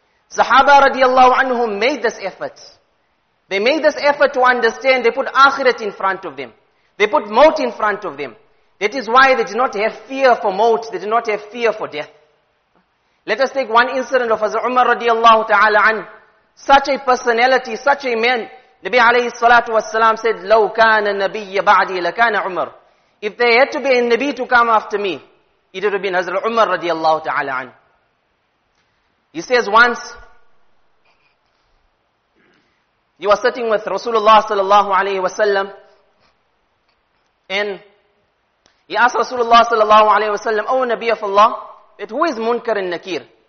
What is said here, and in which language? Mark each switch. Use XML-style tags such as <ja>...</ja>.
<en>Sahaba radiallahu anhum made this effort. They made this effort to understand. They put akhirat in front of them. They put maut in front of them. That is why they did not have fear for maut. They did not have fear for death. Let us take one incident of Hazrat Umar radiallahu ta'ala an. Such a personality, such a man. Nabi alayhi salatu wasalam said,</en> <ar>لو كان النبي بعدي لكان عمر.</ar> <en>If there had to be a Nabi to come after me, it would have been Hazrat Umar radiallahu ta'ala an. He says once, he was sitting with Rasulullah sallallahu alayhi wasallam, and he asked Rasulullah sallallahu alayhi wasallam, O Nabi of Allah, that who is Munkar and Nakir?</en>